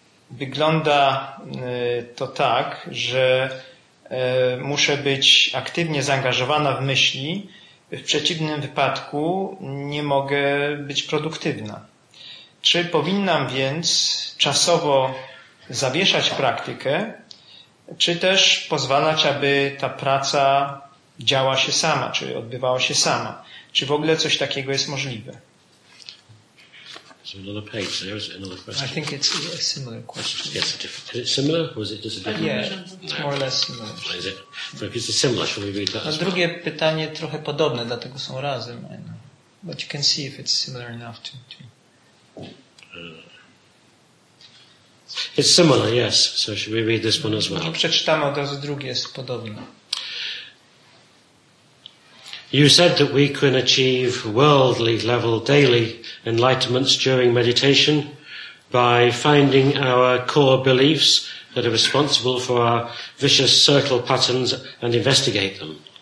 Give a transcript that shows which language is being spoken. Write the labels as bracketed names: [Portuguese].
[Polish] Wygląda to tak, że muszę być aktywnie zaangażowana w myśli, w przeciwnym wypadku nie mogę być produktywna. Czy powinnam więc czasowo zawieszać praktykę, czy też pozwalać, aby ta praca działa się sama, czy odbywała się sama? Czy w ogóle coś takiego jest możliwe? [English] Another page. There is another question. I think it's a similar question. Yes, is it similar, or is it just a bit? Yeah, it's more or less similar. Is it? So if it's a similar, shall we read that? [Polish] A drugie pytanie trochę podobne, dlatego są razem. [English] But you can see if it's similar enough to. It's similar, yes. So should we read this one as well? [Polish] Przeczytamy od razu drugie, jest podobne. [English] You said that we can achieve worldly level daily enlightenments during meditation by finding our core beliefs that are responsible for our vicious circle patterns and investigate them.